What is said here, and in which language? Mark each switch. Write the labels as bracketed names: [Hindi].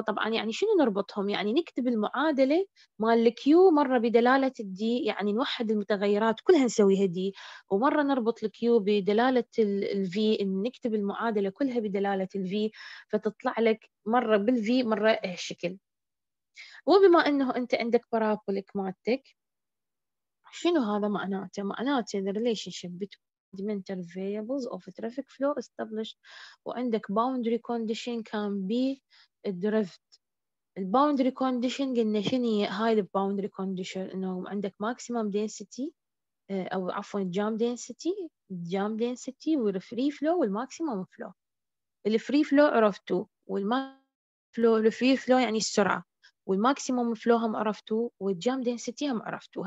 [Arabic] طبعا يعني شنو نربطهم؟ يعني نكتب المعادلة مال الكيو مرة بدلالة الدي، يعني نوحد المتغيرات كلها نسويها دي، ومرة نربط الكيو بدلالة الفي، نكتب المعادلة كلها بدلالة الفي، فتطلع لك مرة بالفي مرة هالشكل. وبما انه انت عندك بارابوليك ماتك، شنو هذا معناته؟ معناته [English] the relationship between dimensional variables of traffic flow established وعندك boundary condition can be derived. [Arabic] الboundary condition قلنا شنو هي؟ هاي الboundary condition انه عندك [English] maximum density، [Arabic] او عفوا jump density والfree flow والmaximum flow. الfree flow عرفتوا، والfree flow يعني السرعة، والماكسيموم فلو هم عرفتوا، والجام دينسيتي هم عرفتوا.